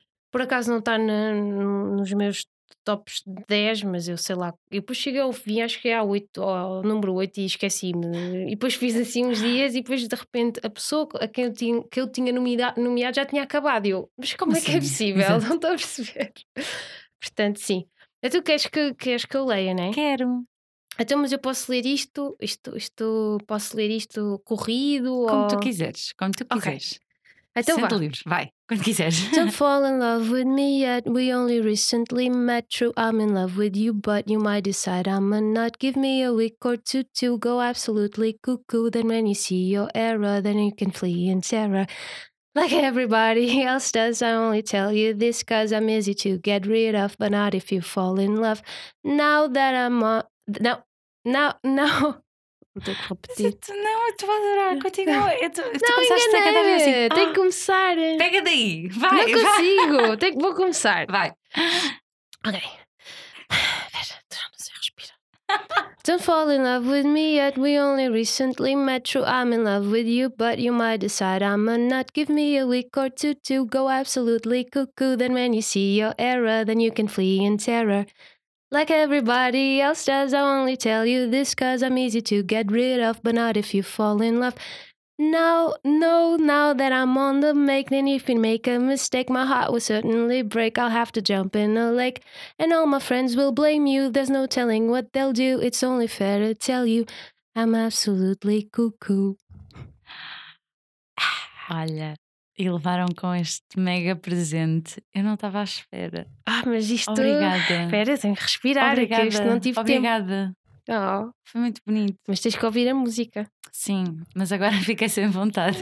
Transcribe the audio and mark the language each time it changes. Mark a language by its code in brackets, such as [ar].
[pt] Por acaso não está nos meus tops 10, mas eu sei lá, eu depois cheguei ao fim, acho que é ao número 8 e esqueci-me, e depois fiz assim uns dias e depois de repente a pessoa a quem eu tinha, nomeado já tinha acabado. E eu, mas como é que é possível? Exato. Não estou a perceber. Portanto, sim. Então, tu queres que eu leia, não é? Quero. Então, mas eu posso ler isto? Isto posso ler isto corrido? Como ou... tu quiseres, como tu quiseres. Okay. Então, sente livre, vai, quando quiseres. [en] Don't fall in love with me yet. We only recently met. True, I'm in love with you, but you might decide I'm a nut. Give me a week or two to go absolutely cuckoo. Then when you see your error, then you can flee in terror. Like everybody else does, I only tell you this cause I'm easy to get rid of, but not if you fall in love. Now that I'm on... [pt] Não. Vou ter que repetir. Não, tu vais adorar, continua. Não, enganei-me. Tem que começar. Pega daí, vai. Não consigo, vou começar. Vai. Ok. Espera, já não sei respirar. [en] Don't fall in love with me yet, we only recently met. True, I'm in love with you, but you might decide I'm a nut. Give me a week or two to go absolutely cuckoo. Then when you see your error, then you can flee in terror. Like everybody else does, I only tell you this cause I'm easy to get rid of, but not if you fall in love. Now that I'm on the make, then if you make a mistake, my heart will certainly break, I'll have to jump in a lake. And all my friends will blame you, there's no telling what they'll do, it's only fair to tell you, I'm absolutely cuckoo. [pt] Olha, e levaram com este mega presente, eu não estava à espera. Ah, mas isto... Obrigada. Espera, tenho que respirar, obrigada. Que isto não tive obrigada. Tempo. Obrigada. Oh. Foi muito bonito. Mas tens que ouvir a música. Sim, mas agora fiquei sem vontade.